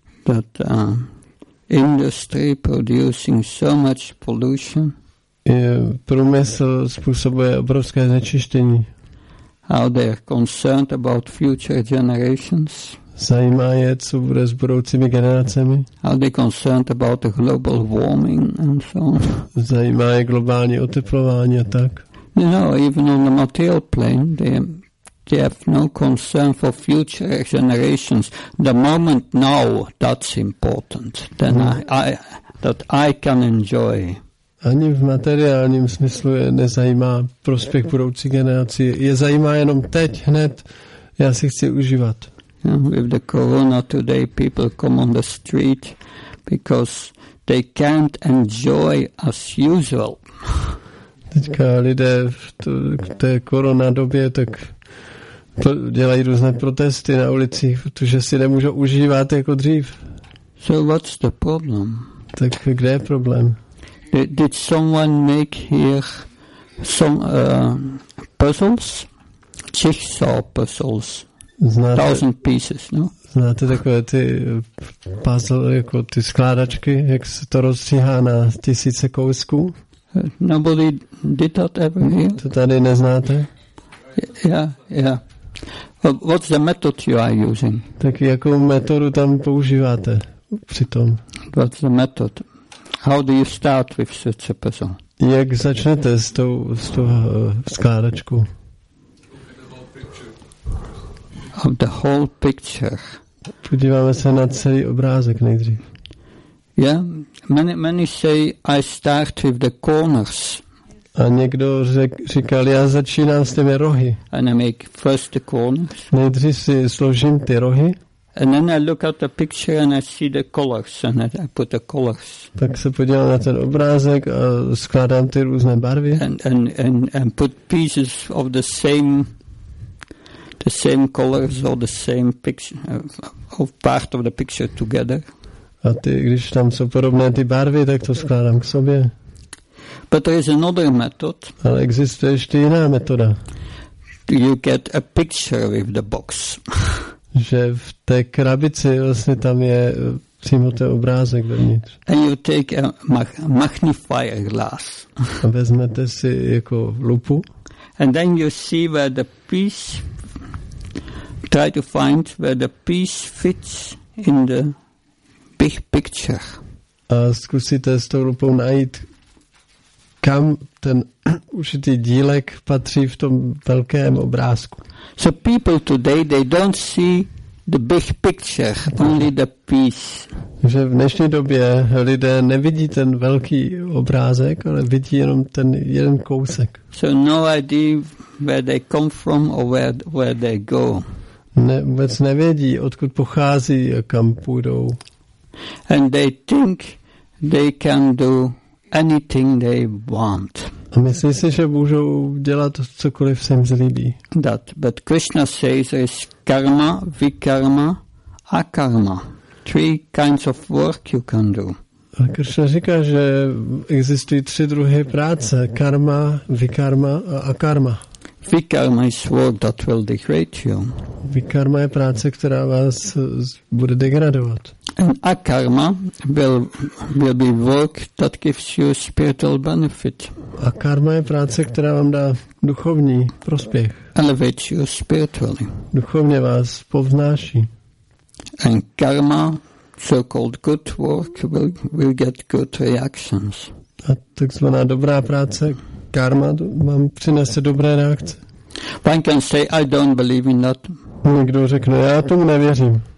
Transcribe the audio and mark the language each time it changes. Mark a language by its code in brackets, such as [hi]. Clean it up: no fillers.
[en] That industry producing so much pollution. [cs] Průmysl způsobuje obrovské znečištění. [en] How they are concerned about future generations. [cs] Zajímá je, co bude s budoucími generacemi. [en] How they concerned about the global warming and so on. [cs] Zajímá je globální oteplování a tak. [en] You know, even on the material plane, they have no concern for future generations. The moment now, that's important. Then I can enjoy. [cs] Ani v materiálním smyslu je nezajímá prospěch budoucí generací. Je zajímá jenom teď, hned. Já si chci užívat. [en] Yeah, with the corona today, people come on the street because they can't enjoy as usual. [cs] Teďka lidé v té korona době, tak dělají různé protesty na ulicích, protože si nemůžou užívat jako dřív. [en] So what's the problem? [cs] Tak kde je problém? [en] Did someone make here some puzzles? Jigsaw puzzles. [cs] Znáte, [en] 1000 pieces, no? [cs] Znáte takové ty puzzle, jako ty skládačky, jak se to rozstříhá na tisíce kousků? [en] Nobody did that ever here? [cs] To tady neznáte? [en] Yeah. What's the method you are using? [cs] Tak jakou metodu tam používáte? přitom. [en] What's the method? How do you start with such a puzzle? [cs] Jak začnete s tou skládačkou? [en] Of the whole picture. [cs] Podíváme se na celý obrázek nejdřív. [en] Yeah, many say I start with the corners. [cs] A někdo říkal, já začínám s těmi rohy. [en] And I make first the corners. [cs] Nejdřív si složím ty rohy. [en] And then I look at the picture and I see the colors and I put the colors. [cs] Tak se podívám na ten obrázek a skládám ty různé barvy. [en] And put pieces of the same colors or the same picture of part of the picture together. [cs] A ty, když tam jsou podobné ty barvy, tak to skládám k sobě. [en] But there is another method. [cs] Ale existuje ještě jiná metoda. [en] You get a picture with the box. [cs] Že v té krabici vlastně tam je přímo ten obrázek vevnitř. [en] And you take a magnifier glass. [cs] A vezmete si jako lupu. [en] And then you see where the piece, try to find where the piece fits in the big picture. [cs] A zkusíte s tou lupou najít, kam ten ušitý dílek patří v tom velkém obrázku. [en] So people today, they don't see the big picture, only the piece. [cs] Že v dnešní době lidé nevidí ten velký obrázek, ale vidí jenom ten jeden kousek. [en] So no idea where they come from or where they go. [cs] Vůbec nevědí, odkud pochází a kam půjdou. [en] And they think they can do anything they want. [cs] A myslí si, že můžou dělat cokoliv se jim zlíbí. [en] That, but Krishna says there is karma, vikarma, akarma. Three kinds of work you can do. [cs] A Krishna říká, že existují tři druhy práce. Karma, vikarma a akarma. [en] Vikarma is work that will degrade you. [cs] Vikarma je práce, která vás bude degradovat. [en] And akarma will be work that gives you spiritual benefit. [cs] A karma je práce, která vám dá duchovní prospěch. [en] Elevates you spiritually. [cs] Duchovně vás povznáší. [en] And karma, so-called good work, will get good reactions. [cs] A takzvaná dobrá práce, karma, vám přinese dobré reakce. [en] One can say, I don't believe in that. [cs] Někdo řekne, já tomu nevěřím.